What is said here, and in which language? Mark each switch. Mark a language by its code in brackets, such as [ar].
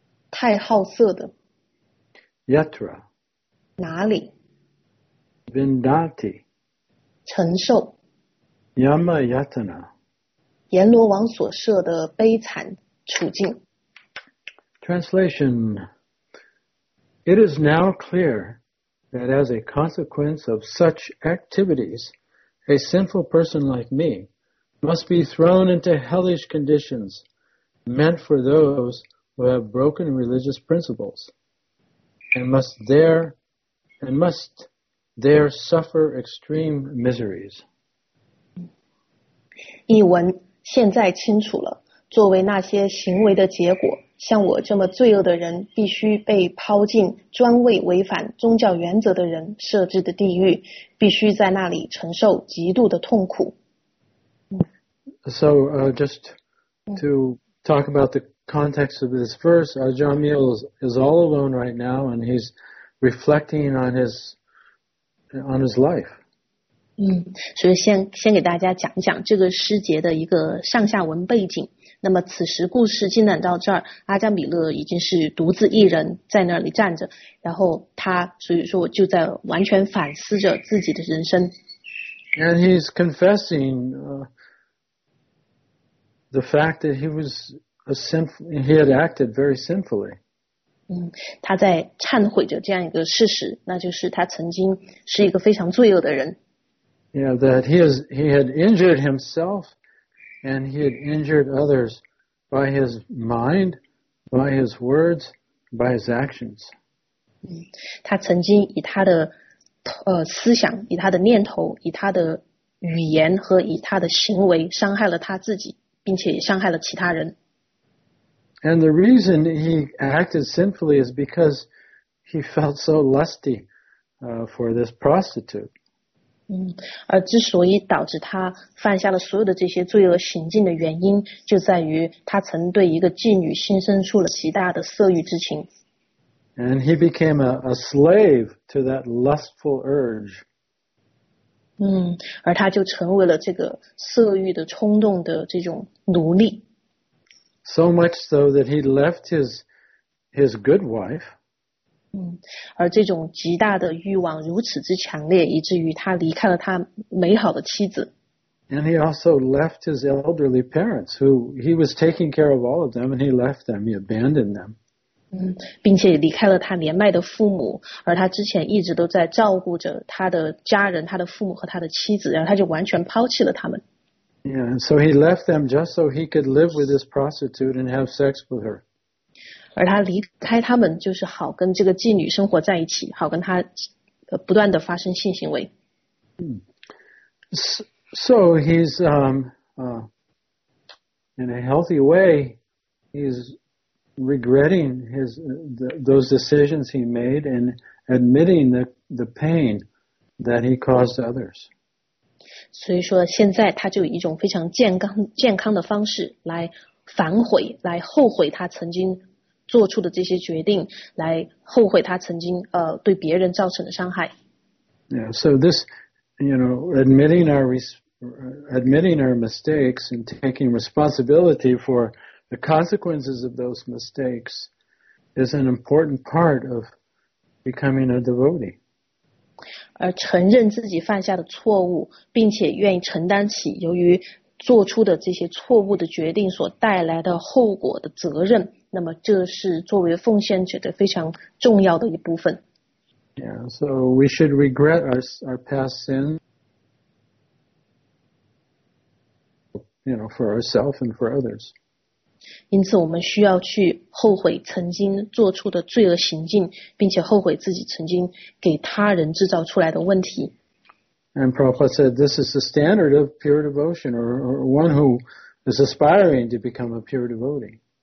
[zh] 太好色的。 [sa] Yatra. [zh] 哪里。 [sa] Vindati. [zh] 承受。 [sa] Yamayatana. [zh] 阎罗王所设的悲惨处境。 [en] Translation. It is now clear. That as a consequence of such activities, a sinful person like me must be thrown into hellish conditions meant for those who have broken religious principles and must there suffer extreme miseries. [zh] 译文现在清楚了，作为那些行为的结果。像我这么罪恶的人必须被抛进专为违反宗教原则的人设置的地狱，必须在那里承受极度的痛苦。 [en] So, just to talk about the context of this verse, Ajamil is all alone right now and he's reflecting on his life. [zh] 所以先给大家讲一讲这个诗节的一个上下文背景。那么此时故事进展到这儿，阿加米勒已经是独自一人在那里站着，然后他所以说就在完全反思着自己的人生。 [en] And he's confessing the fact that he was a sinful, he had acted very sinfully. [zh] 他在忏悔着这样一个事实，那就是他曾经是一个非常罪恶的人。 [en] Yeah, that he had injured himself. And he had injured others by his mind, by his words, by his actions. [zh] 他曾经以他的思想，以他的念头，以他的语言和以他的行为伤害了他自己，并且伤害了其他人。 [en] And the reason he acted sinfully is because he felt so lusty for this prostitute. [zh] 而之所以导致他犯下了所有的这些罪恶行径的原因，就在于他曾对一个妓女心生出了极大的色欲之情。 [en] And he became a slave to that lustful urge. [zh] 而他就成为了这个色欲的冲动的这种奴隶。 [en] So much so that he left his good wife. [zh] 而这种极大的欲望如此之强烈，以至于他离开了他美好的妻子。 [en] And he also left his elderly parents, who he was taking care of all of them, and he left them, he abandoned them. [zh] 并且离开了他年迈的父母，而他之前一直都在照顾着他的家人，他的父母和他的妻子，然后他就完全抛弃了他们。 [en] Yeah, and so he left them just so he could live with this prostitute and have sex with her. [zh] 而他离开他们就是好跟这个妓女生活在一起，好跟他不断的发生性行为。 [en] So he's in a healthy way, he's regretting those decisions he made and admitting the pain that he caused others. [zh] 所以说现在他就以一种非常健康的方式来反悔，来后悔他曾经做出的这些决定，来后悔他曾经对别人造成的伤害。 [en] Yeah, so this, you know, admitting our mistakes and taking responsibility for the consequences of those mistakes is an important part of becoming a devotee. [zh] 而承认自己犯下的错误，并且愿意承担起由于做出的这些错误的决定所带来的后果的责任，那么这是作为奉献者的非常重要的一部分。 [en] Yeah, so we should regret our past sins, you know, for ourselves and for others. [zh] 因此我们需要去后悔曾经做出的罪恶行径，并且后悔自己曾经给他人制造出来的问题。 [en] And Prabhupada said, this is the standard of pure devotion, or one who is aspiring to become a pure devotee.